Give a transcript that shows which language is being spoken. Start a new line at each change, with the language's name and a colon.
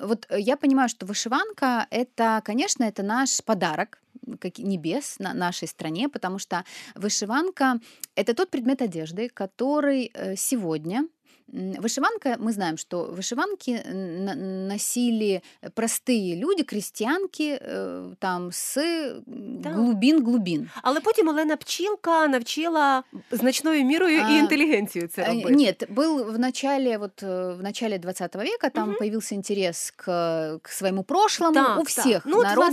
Russian: Вот я понимаю, что вышиванка, это, конечно, это наш подарок, как небес на нашей стране, потому что вышиванка – это тот предмет одежды, который сегодня... Вышиванка, мы знаем, что вышиванки носили простые люди, крестьянки, там, с глубин-глубин.
Ukrainian: Але потім Олена Пчілка навчила значною мірою і інтелігенцію це робити.
Russian: Нет, был в начале 20 века, там появился интерес к своему прошлому у всех народов.